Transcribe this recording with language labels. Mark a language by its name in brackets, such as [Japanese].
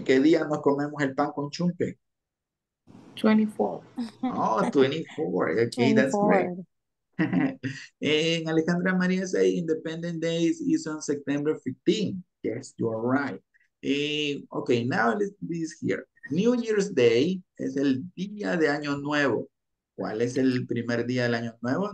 [Spanish] ¿Qué día nos comemos el pan con chumpe? 24. [English] Oh, 24. Okay, 24. That's great. And Alejandra Maria say Independence Day is on September 15th. Yes, you are right. Okay, now let's do this here. New Year's Day [Spanish] es el día de Año Nuevo. ¿Cuál es el primer día del Año Nuevo?